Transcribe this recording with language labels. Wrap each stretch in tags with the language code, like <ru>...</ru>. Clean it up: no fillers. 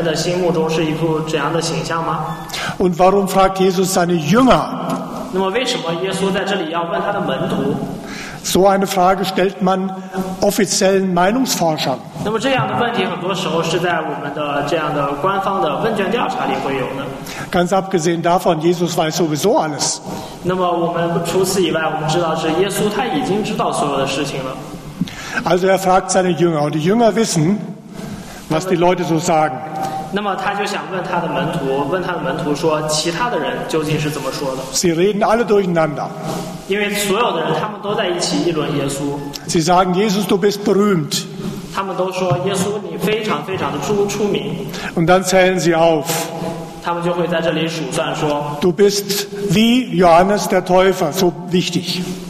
<zh>那么他想知道说他究竟在人们的心目中是一副怎样的形象吗？</zh> <de>Und warum fragt Jesus seine Jünger?</de> <zh>那么为什么耶稣在这里要问他的门徒？</zh> <de>So eine Frage stellt man offiziellen Meinungsforschern.</de> <zh>那么这样的问题很多时候是在我们的这样的官方的问卷调查里会有的。</zh> <de>Ganz abgesehen davon, Jesus weiß sowieso alles.</de> <zh>那么我们除此以外，我们知道是耶稣他已经知道所有的事情了。</zh> <de>Also er fragt seine Jünger, und die Jünger wissen, was die Leute so sagen.</de> <zh>那么他就想问他的门徒说，其他的人究竟是怎么说的？</zh> <de>Sie reden alle durcheinander.</de> <zh>因为所有的人他们都在一起议论耶稣。</zh> <de>Sie sagen, Jesus, du bist berühmt.</de> <zh>他们都说，耶稣，你非常非常的出名。</zh> <de>Und dann zählen sie auf.</de> <zh>他们就会在这里数算说，</zh> <de>Du bist wie Johannes der Täufer, so wichtig.</de>